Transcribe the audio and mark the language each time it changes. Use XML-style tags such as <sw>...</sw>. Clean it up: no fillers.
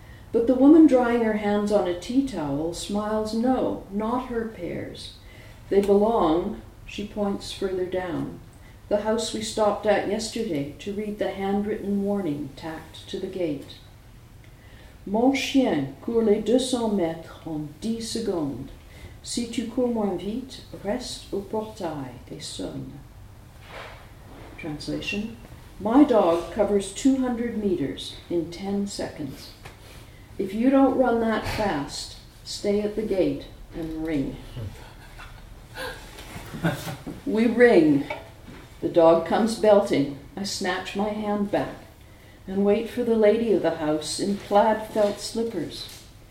<en>But the woman drying her hands on a tea towel smiles, no, not her pears. They belong, she points further down, the house we stopped at yesterday to read the handwritten warning tacked to the gate.</en> <fr>Mon chien court les 200 mètres en 10 secondes. Si tu cours moins vite, reste au portail et sonne.</fr> <en>Translation: my dog covers 200 meters in 10 seconds. If you don't run that fast, stay at the gate and ring. We ring. The dog comes belting. I snatch my hand back and wait for the lady of the house in plaid felt slippers.</en>